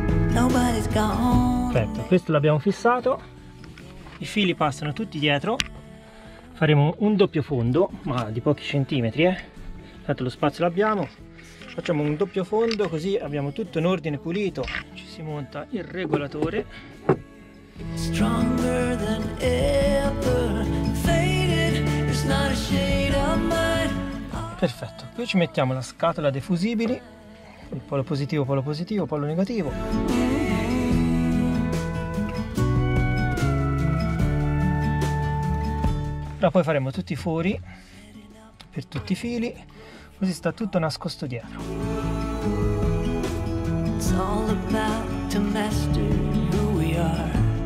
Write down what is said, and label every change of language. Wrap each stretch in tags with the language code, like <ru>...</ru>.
<en>Nobody's gone.</en> <it>Perfetto, questo l'abbiamo fissato. I fili passano tutti dietro. Faremo un doppio fondo, ma di pochi centimetri, Tanto lo spazio l'abbiamo. Facciamo un doppio fondo così abbiamo tutto in ordine pulito. Ci si monta il regolatore.</it> <en>Stronger than ever, faded, it's not a shade of mine.</en> <it>Perfetto, qui ci mettiamo la scatola dei fusibili, il polo positivo, polo negativo. Ora poi faremo tutti i fori per tutti i fili, così sta tutto nascosto dietro.</it> <en>It's all about to master who we are.</en>